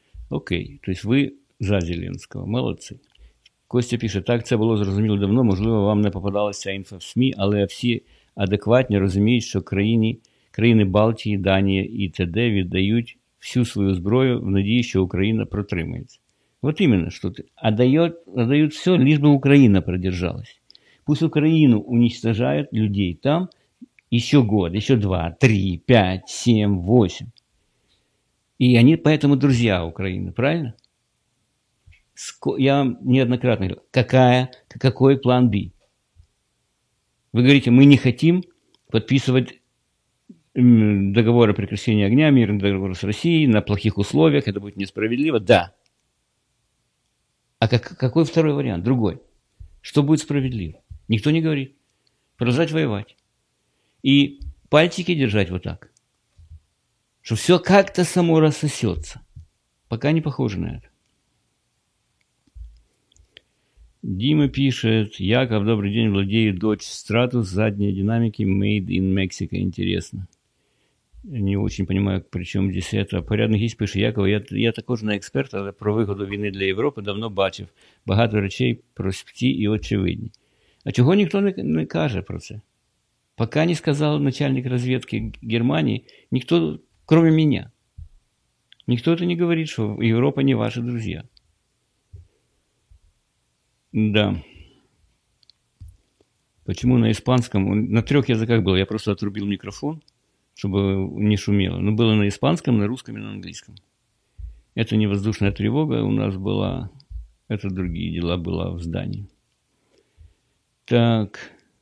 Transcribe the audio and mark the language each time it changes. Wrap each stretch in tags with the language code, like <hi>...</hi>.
<uk>Окей, тобто ви за Зеленського. Молодці. Костя пише, так це було зрозуміло давно, можливо, вам не попадалася інфа в СМІ, але всі адекватні розуміють, що країни Балтії, Данія і т.д. віддають всю свою зброю в надії, що Україна протримається.</uk> <ru>Вот именно, что ты. Отдают все, лишь бы Украина продержалась. Пусть Украину уничтожают людей там еще год, еще два, три, пять, семь, восемь. И они поэтому друзья Украины, правильно? Я вам неоднократно говорил, какой план Б? Вы говорите, мы не хотим подписывать договор о прекращении огня, мирный договор с Россией на плохих условиях, это будет несправедливо. Да. А какой второй вариант? Другой. Что будет справедливо? Никто не говорит. Продолжать воевать. И пальчики держать вот так. Что все как-то само рассосется. Пока не похоже на это. Дима пишет. Яков, добрый день. Владею Dodge Stratus. Задние динамики. Made in Mexico. Интересно. Не очень понимаю, при чому здесь это.</ru> <uk>Порядний гість пише, Якова, я також не експерт, але про вигоду війни для Європи давно бачив. Багато речей прості і очевидні. А чого ніхто не каже про це? Поки не сказав начальник розвідки Германії, ніхто, крім мене, ніхто не говорить, що Європа не ваші друзі.</uk> <ru>Да.</ru> <uk>Почему на іспанському? На трьох язиках було, я просто отрубив мікрофон.</uk> <ru>Чтобы не шумело. Но было на испанском, на русском и на английском. Это не воздушная тревога у нас была. Это другие дела были в здании. Так.</ru>